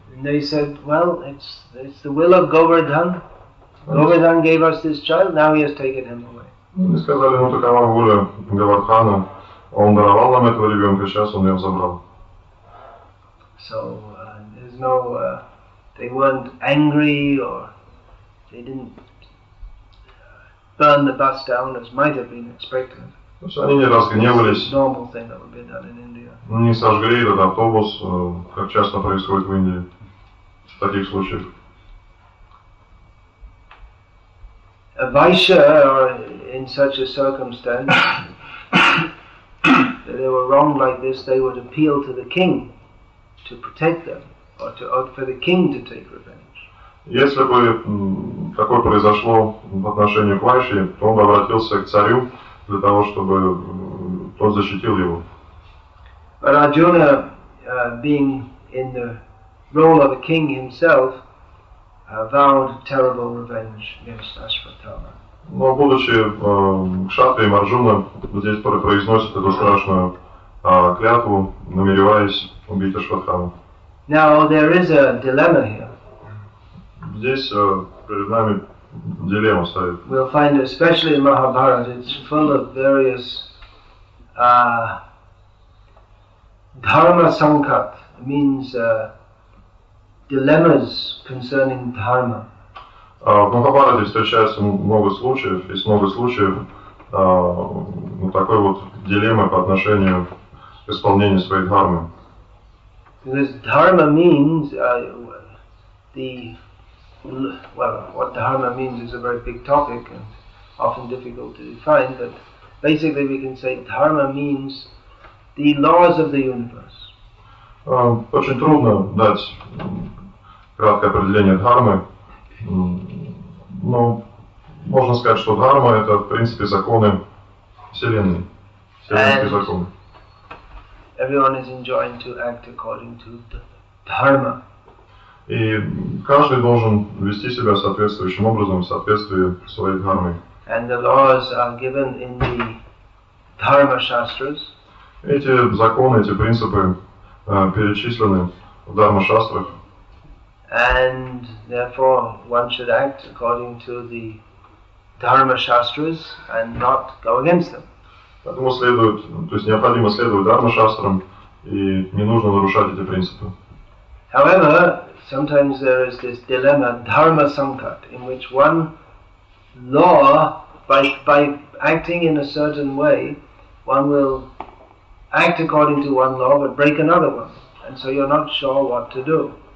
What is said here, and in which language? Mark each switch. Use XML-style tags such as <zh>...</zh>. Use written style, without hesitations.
<en>And they said, well, it's the will of Govardhan. Govardhan gave us this child, now he has taken him away.</en> <ru>Они сказали, ну такова воля Говардхана. Он даровал нам этого ребенка, сейчас он его забрал.</ru> <en>So there's no, they weren't angry, or they didn't burn the bus down as might have been expected.</en> <ru>Они не разгневались.</ru> <en>Normal thing that would be done in India.</en> <ru>Не сожгли этот автобус, как часто происходит в Индии в таких случаях.</ru> <en>A vaisya, or in such a circumstance, if they were wrong like this, they would appeal to the king. To protect them, or for the king to take revenge.</en> <ru>Если бы такое произошло в отношении Вайши, то он бы обратился к царю для того, чтобы тот защитил его.</ru> <en>But Arjuna, being in the role of a king himself, vowed terrible revenge against Ashvatthama.</en> <ru>Но будучи кшатрием, Арджуна здесь произносит эту страшную клятву, намереваясь убить Ашватхаму.</ru> <en>Now there is a dilemma here.</en> <ru>Здесь перед нами дилемма стоит.</ru> <en>We'll find, especially in Mahabharata, it's full of various dharma sankat. It means dilemmas concerning dharma.</en> <ru>В Махабхарате встречается много случаев, есть много случаев вот такой вот дилеммы по отношению к исполнению своей дхармы.</ru> <en>Because dharma means what dharma means is a very big topic and often difficult to define, but basically we can say dharma means the laws of the universe.</en> <ru>Очень трудно дать краткое определение дхармы, но можно сказать, что дхарма — это, в принципе, законы Вселенной, вселенские законы.</ru> <en>Everyone is enjoined to act according to the dharma.</en> <ru>И каждый должен вести себя соответствующим образом, в соответствии своей дхармы.</ru> <en>And the laws are given in the dharma shastras.</en> <ru>Эти законы, эти принципы перечислены в дхарма шастрах.</ru> <en>And therefore one should act according to the dharma shastras and not go against them.</en> <ru>Поэтому следует, то есть необходимо следовать дхармашастрам, и не нужно нарушать эти принципы.</ru> <en>However, sometimes there is this dilemma, dharma sankat, in which one law, by acting in a certain way, one will act according to one law, but break another one. And so you're not sure what to do.</en>